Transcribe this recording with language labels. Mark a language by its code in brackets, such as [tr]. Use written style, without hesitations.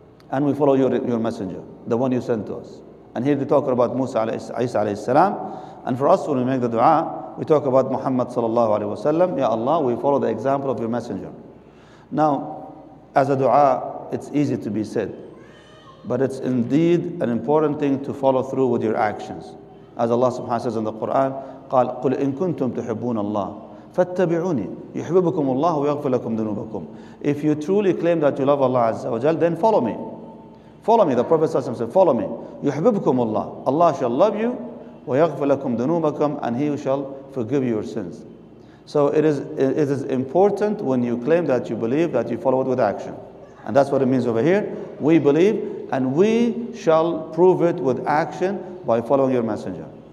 [en] And we follow your messenger, the one you sent to us. And here they talk about Musa alayhi salam. And for us, when we make the dua, we talk about Muhammad sallallahu alayhi wa sallam. Ya Allah, we follow the example of your messenger. Now, as a dua it's easy to be said. But it's indeed an important thing to follow through with your actions. As Allah subhanahu wa ta'ala says in the Quran, [ar] قال قل إن كنتم تحبون الله فاتبعوني يحببكم الله ويغفر لكم ذنوبكم. [en] If you truly claim that you love Allah Azza wa Jal, then follow me. Follow me, the Prophet Sallallahu Alaihi Wasallam said, follow me. [ar] يحببكم الله. [en] Allah shall love you [ar] ويغفر لكم ذنوبكم, [en] and He shall forgive your sins. So it is important when you claim that you believe that you follow it with action. And that's what it means over here. We believe and we shall prove it with action by following your messenger.